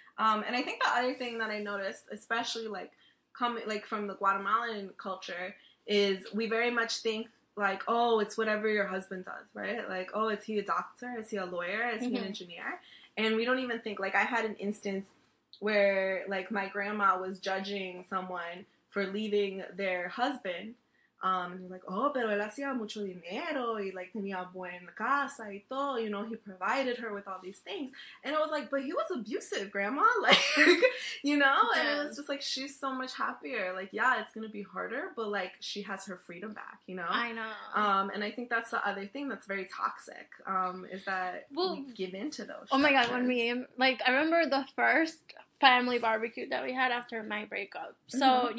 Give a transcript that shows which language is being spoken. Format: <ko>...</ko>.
<en>And I think the other thing that I noticed, especially, like, coming, like, from the Guatemalan culture, is we very much think, like, oh, it's whatever your husband does, right? Like, oh, is he a doctor? Is he a lawyer? Is he an engineer? And we don't even think, like, I had an instance where, like, my grandma was judging someone for leaving their husband And he's like, oh,</en> <es>pero él hacía mucho dinero, y like, tenía buena casa y todo,</es> <en>you know, he provided her with all these things. And I was like, but he was abusive, grandma, like, you know, yes. And it was just like, she's so much happier. Like, yeah, it's going to be harder, but like, she has her freedom back, you know? I know. And I think that's the other thing that's very toxic, is that we give in to those. Oh my God, when we, like, I remember the first family barbecue that we had after my breakup. So, mm-hmm.</en>